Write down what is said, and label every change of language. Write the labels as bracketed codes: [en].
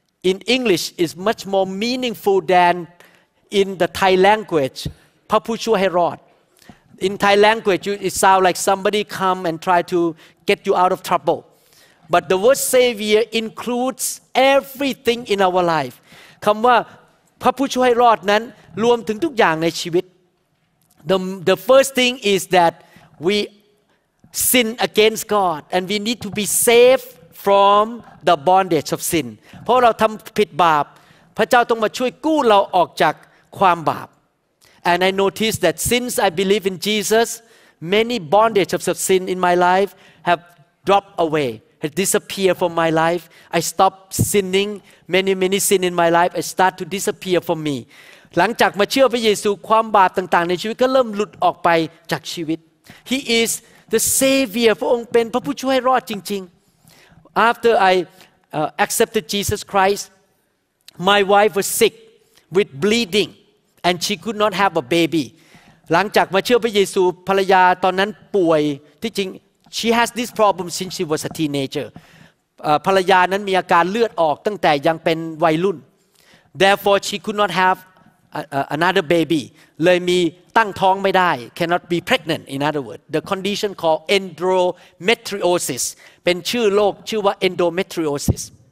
[en] in English is much more meaningful than in the Thai language [th] พระผู้ช่วยให้รอด [en] In Thai language it sounds like somebody come and try to get you out of trouble but the word savior includes everything in our life [th] คำว่าพระผู้ช่วยให้รอดนั้นรวมถึงทุกอย่างในชีวิต [en] the first thing is thatWe sin against God, and we need to be saved from the bondage of sin. [th] เพราะเราทำผิดบาป พระเจ้าต้องมาช่วยกู้เราออกจากความบาป [en] And I noticed that since I believe in Jesus, many bondage of sin in my life have dropped away, have disappeared from my life. I stopped sinning. Many sin in my life, I start to disappear from me. [th] หลังจากมาเชื่อพระเยซูความบาปต่างๆในชีวิตก็เริ่มหลุดออกไปจากชีวิต [en] He is the savior [th] พระองค์เป็นพระผู้ช่วยรอดจริงๆ [en] After I accepted Jesus Christ my wife was sick with bleeding and she could not have a baby [th] หลังจากมาเชื่อพระเยซูภรรยาตอนนั้นป่วยที่จริง [en] she has this problem since she was a teenager [th] ภรรยานั้นมีอาการเลือดออกตั้งแต่ยังเป็นวัยรุ่น [en] Therefore she could not haveanother baby [th] เลยมีตั้งท้องไม่ได้ [en] cannot be pregnant in other words the condition called endometriosis [th] เป็นชื่อโรคชื่อว่า [en] endometriosis